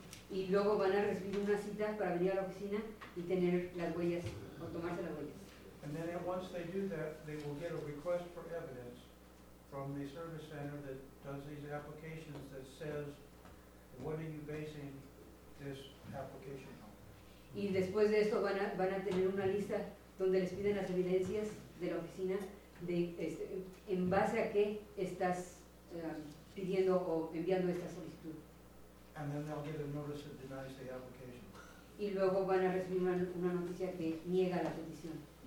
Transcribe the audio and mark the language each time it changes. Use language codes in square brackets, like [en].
[es] Y luego van a recibir una cita para venir a la oficina y tener las huellas o tomarse las huellas. [en] And then once they do that, they will get a request for evidence from the service center that does these applications that says what are you basing this application on. [es] Y después de esto van a tener una lista donde les piden las evidencias de la oficina de en base a qué estás pidiendo o enviando esta solicitud. [en] And then they'll get a notice that denies the application. [es] Y luego van a recibir una noticia que niega la petición.